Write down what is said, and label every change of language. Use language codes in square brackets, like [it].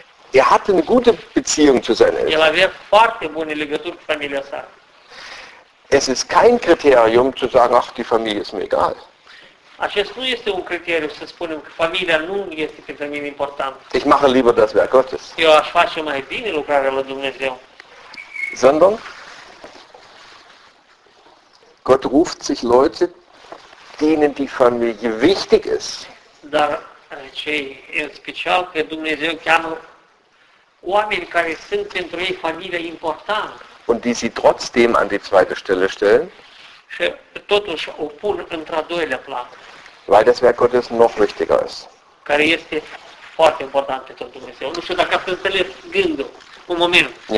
[de] Er hatte eine gute Beziehung zu seinen Eltern. [ro] El avea foarte bune legături cu familia sa. [de] Es ist kein Kriterium zu sagen, ach, die Familie ist mir egal. [ro] Acest nu este un criteriu să spunem că familia nu este pentru mine important. [de] Ich mache lieber das Werk Gottes. [ro] Eu aș face mai bine lucrarea lui Dumnezeu. [de] Sondern Gott ruft sich Leute, denen die Familie wichtig ist. [ro] Dar cei în special că Dumnezeu cheamă oameni care sunt pentru ei familia important. [de] Und die sie trotzdem an die zweite Stelle stellen. [ro] Totuși o pun într-a doilea plan. [de] Weil das Werk Gottes noch wichtiger ist. [ro] Care este foarte important pentru Dumnezeu. Nu știu dacă ați înțeles gândul. Un moment.